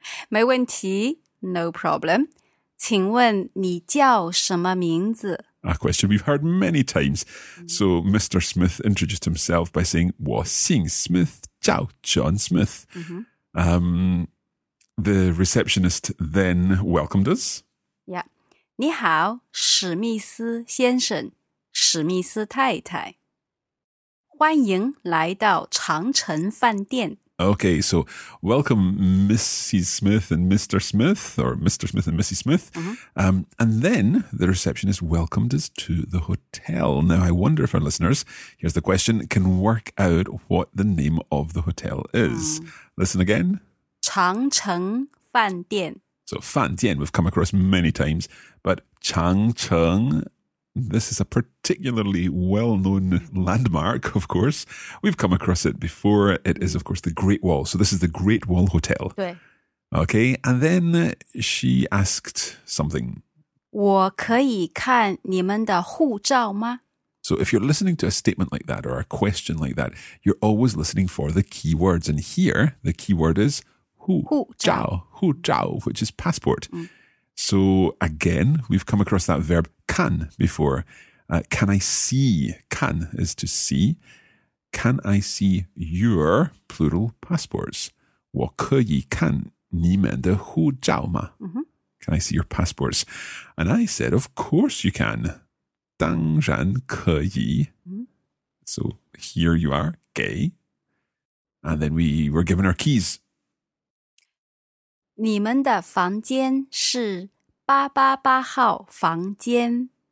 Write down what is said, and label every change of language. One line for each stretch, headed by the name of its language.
Chinese: 没问题.
English: No problem.
Chinese: 请问你叫什么名字?
English: A question we've heard many times. So Mr. Smith introduced himself by saying,
Chinese: 我姓 Smith, 叫 John Smith.
English: The receptionist then welcomed us. Yeah.
Chinese: 你好,史密斯先生,史密斯太太。欢迎来到长城饭店。
English: Okay, so welcome Mrs. Smith and Mr. Smith, or Mr. Smith and Mrs. Smith. And then the receptionist welcomed us to the hotel. Now, I wonder if our listeners, here's the question, can work out what the name of the hotel is. Listen again.
Chinese: 长城饭店.
English: So 饭店, we've come across many times, but 长城, this is a particularly well-known landmark, of course. We've come across it before. It is, of course, the Great Wall. So this is the Great Wall Hotel.
Chinese: 对。
English: Okay, and then she asked something.
Chinese: 我可以看你们的护照吗?
English: So if you're listening to a statement like that or a question like that, you're always listening for the keywords. And here, the keyword is
Chinese: 护照,
English: 护照, which is passport. So again, we've come across that verb can before. Can I see? Can is to see. Can I see your, plural, passports?
Chinese: 我可以看你们的护照吗?
English: Can I see your passports? And I said, of course you can.
Chinese: 当然可以.
English: So here you are, 给. And then we were given our keys.
Chinese: 你们的房间是888号房间。